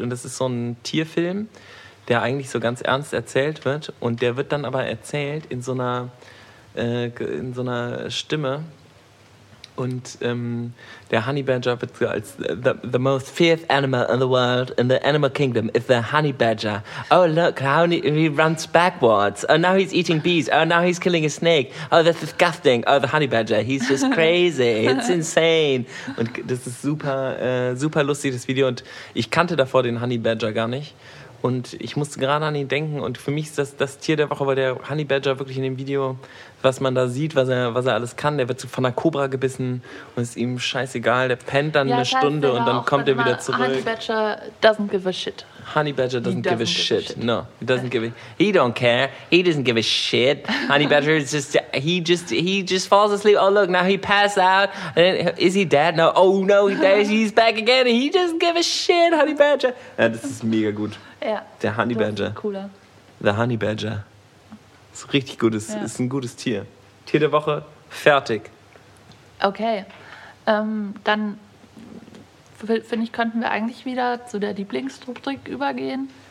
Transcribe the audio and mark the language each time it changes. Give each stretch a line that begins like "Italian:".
German: Und das ist so ein Tierfilm, der eigentlich so ganz ernst erzählt wird. Und der wird dann aber erzählt in so einer Stimme und der Honey Badger wird so als
English: the most fierce animal in the world in the animal kingdom is the Honey Badger. Oh look, how he runs backwards. Oh now he's eating bees. Oh now he's killing a snake. Oh that's disgusting. Oh the Honey Badger, he's just crazy. It's insane.
German: Und das ist super super lustig, das Video, und ich kannte davor den Honey Badger gar nicht. Und ich musste gerade an ihn denken. Und für mich ist das Tier der Woche, weil der Honey Badger wirklich in dem Video, was man da sieht, was er alles kann, der wird so von einer Kobra gebissen und ist ihm scheißegal. Der pennt dann eine Stunde und dann kommt er wieder zurück.
English: Honey Badger doesn't give a shit. Honey Badger doesn't give a shit. Honey Badger is just, he just falls asleep. Oh look, now he passed out. Is he dead? No, oh no, he's back again. He doesn't give a shit, Honey Badger.
German: Ja, das ist mega gut. Ja. Der Honey Badger. Cooler. The Honey Badger. Ist richtig gutes, ist ein gutes Tier. Tier der Woche, Fertig. Okay. Dann finde ich, könnten wir eigentlich wieder zu der Lieblingsrubrik übergehen.